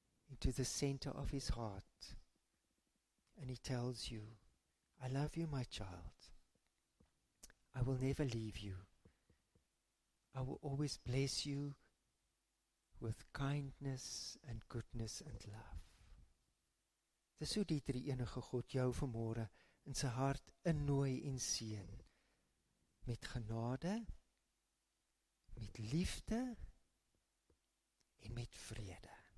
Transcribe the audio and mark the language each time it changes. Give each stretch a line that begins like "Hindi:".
English: into the center of his heart. And he tells you, I love you, my child. I will never leave you. I will always bless you with kindness and goodness and love.
Afrikaans: Dis hoe die drie enige God jou vanmôre in sy hart innooi en seën. Met genade, met liefde en met vrede.